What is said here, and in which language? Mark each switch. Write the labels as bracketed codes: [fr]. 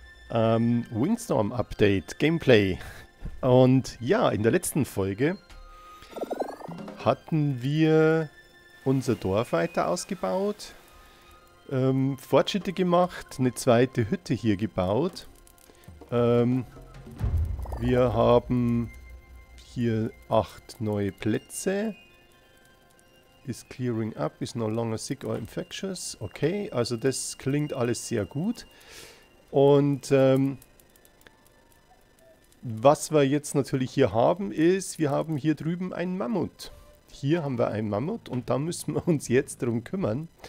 [de] Windstorm Update Gameplay. Und ja, in der letzten Folge hatten wir unser Dorf weiter ausgebaut, Fortschritte gemacht, eine zweite Hütte hier gebaut. Wir haben hier 8 neue Plätze. [en] Is clearing up, is no longer sick or infectious. [de] Okay, also das klingt alles sehr gut. Und was wir jetzt natürlich hier haben, ist, wir haben hier drüben einen Mammut. Hier haben wir einen Mammut und da müssen wir uns jetzt darum kümmern.